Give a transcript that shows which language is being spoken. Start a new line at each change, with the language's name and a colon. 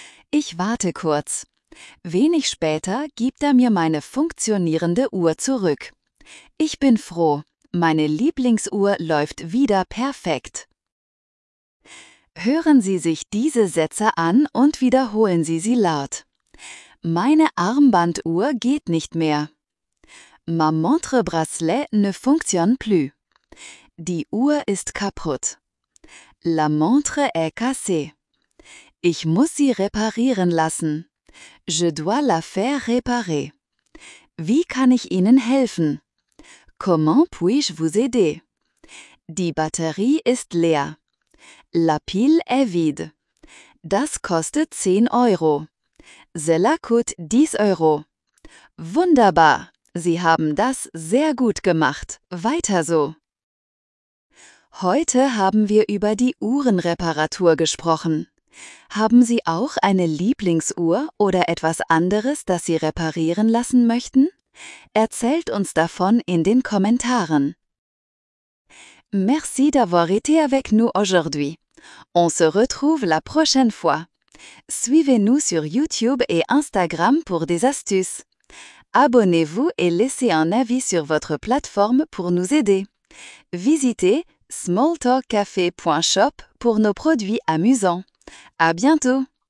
German: Ich warte kurz. Wenig später gibt er mir meine funktionierende Uhr zurück. Ich bin froh. Meine Lieblingsuhr läuft wieder perfekt." Hören Sie sich diese Sätze an und wiederholen Sie sie laut. Meine Armbanduhr geht nicht mehr.
French: Ma montre bracelet ne fonctionne plus.
German: Die Uhr ist kaputt.
French: La montre est cassée.
German: Ich muss sie reparieren lassen.
French: Je dois la faire réparer.
German: Wie kann ich Ihnen helfen?
French: Comment puis-je vous aider?
German: Die Batterie ist leer.
French: La pile est vide.
German: Das kostet 10 €.
French: Cela coûte 10 €.
German: Wunderbar! Sie haben das sehr gut gemacht. Weiter so! Heute haben wir über die Uhrenreparatur gesprochen. Haben Sie auch eine Lieblingsuhr oder etwas anderes, das Sie reparieren lassen möchten? Erzählt uns davon in den Kommentaren.
French: Merci d'avoir été avec nous aujourd'hui. On se retrouve la prochaine fois. Suivez-nous sur YouTube et Instagram pour des astuces. Abonnez-vous et laissez un avis sur votre plateforme pour nous aider. Visitez smalltalkcafé.shop pour nos produits amusants. À bientôt!